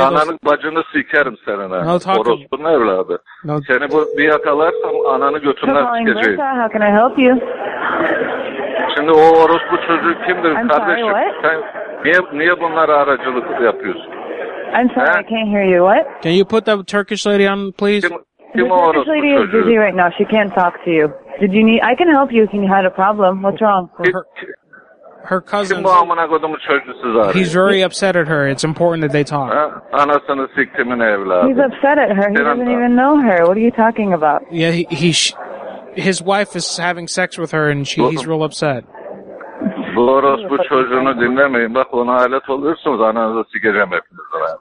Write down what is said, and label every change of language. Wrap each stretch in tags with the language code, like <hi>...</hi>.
<tr>ananın those. Bacını sikerim senin. No talking. Orospunun evladı. No. Seni bir yakalarsam ananı götürmez sikeceğim.</tr> <en>How can I help you?</en> <tr>Şimdi o orospu çocuğu kimdir kardeşim?</tr> <en>I'm sorry, what?</en> <tr>Sen niye bunlara aracılık yapıyorsun?</tr> <en>I'm sorry, I can't hear you. What? Can you put that Turkish lady on, please? The Turkish lady is busy right now. She can't talk to you. Did you need? I can help you if you had a problem. What's wrong? Her cousin. He's very upset at her. It's important that they talk.</en> <tr>Anasını siktimin evladı.</tr> <en>He's upset at her. He doesn't even know her. What are you talking about? Yeah, he his wife is having sex with her, and he's real upset.</en> <tr>Bu orospu çocuğunu dinlemeyin. Bak, ona alet olursunuz. Ananızı sikeceğim hepinizden.</tr>